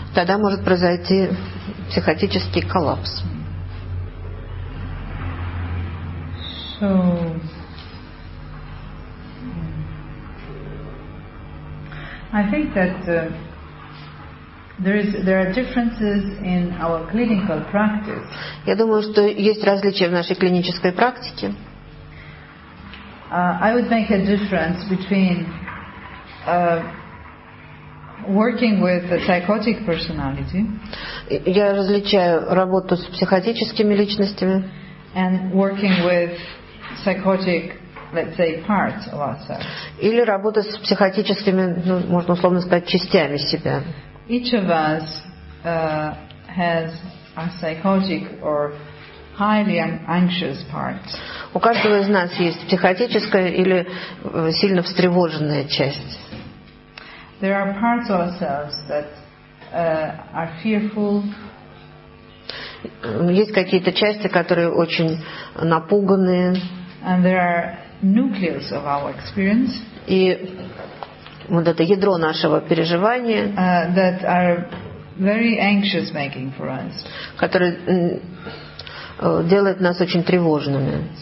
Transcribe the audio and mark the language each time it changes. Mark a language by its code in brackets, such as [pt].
[ru] Тогда может произойти психотический коллапс. [en] So, I think that there are differences in our clinical practice. [ru] Я думаю, что есть различия в нашей клинической практике. [en] I would make a difference between working with a psychotic personality. [ru] Я различаю работу с психотическими личностями [en] and working with psychotic let's say, parts of ourselves. [ru] Или работа с психотическими, ну, можно условно сказать, частями себя. [en] Each of us has a psychotic or highly anxious part. [ru] У каждого из нас есть психотическая или сильно встревоженная часть. [en] There are parts of ourselves that are fearful. [ru] Есть какие-то части, которые очень напуганные. [en] And there are nucleus of our experience. [ru] И вот это ядро нашего переживания. [en] That are very anxious making for us. [ru] Которые делают нас очень тревожными.